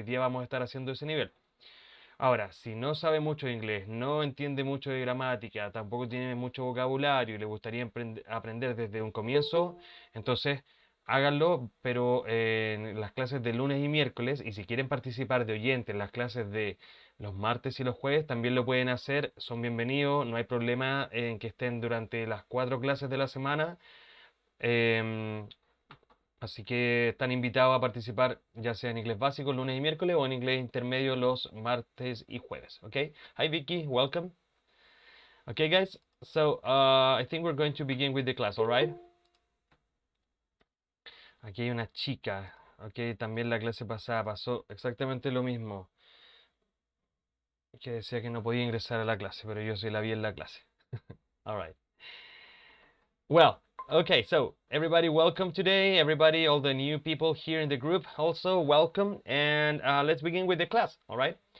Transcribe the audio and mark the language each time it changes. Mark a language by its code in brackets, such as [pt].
[es] Hoy día vamos a estar haciendo ese nivel. Ahora, si no sabe mucho de inglés, no entiende mucho de gramática, tampoco tiene mucho vocabulario y le gustaría aprender desde un comienzo, entonces háganlo, pero en las clases de lunes y miércoles, y si quieren participar de oyente en las clases de los martes y los jueves, también lo pueden hacer, son bienvenidos, no hay problema en que estén durante las 4 clases de la semana. Así que están invitados a participar ya sea en inglés básico lunes y miércoles o en inglés intermedio los martes y jueves. [en] Okay? Hi Vicky, welcome. Okay, guys, so I think we're going to begin with the class, all right? [es] Aquí hay una chica, okay, también la clase pasada pasó exactamente lo mismo. Que decía que no podía ingresar a la clase, pero yo sí la vi en la clase. [en] All right. Well, okay, so everybody welcome today, everybody, all the new people here in the group also welcome, and let's begin with the class, all right?